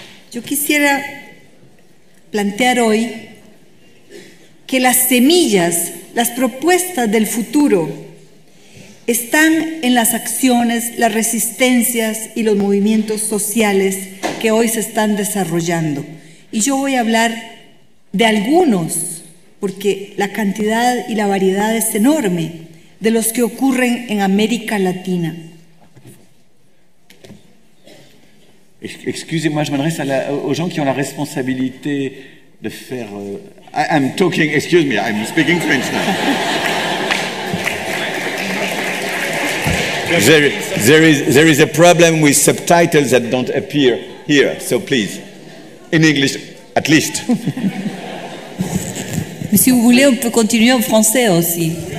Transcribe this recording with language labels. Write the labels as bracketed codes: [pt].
[es] Yo quisiera plantear hoy que las semillas, las propuestas del futuro, están en las acciones, las resistencias y los movimientos sociales que hoy se están desarrollando. Y yo voy a hablar de algunos, porque la cantidad y la variedad es enorme, de los que ocurren en América Latina. [fr] Excusez-moi, je m'adresse aux gens qui ont la responsabilité de faire... [en] I'm speaking French now. There is a problem with subtitles that don't appear here, so please, in English, at least. [fr] Mais si vous voulez, on peut continuer en français aussi.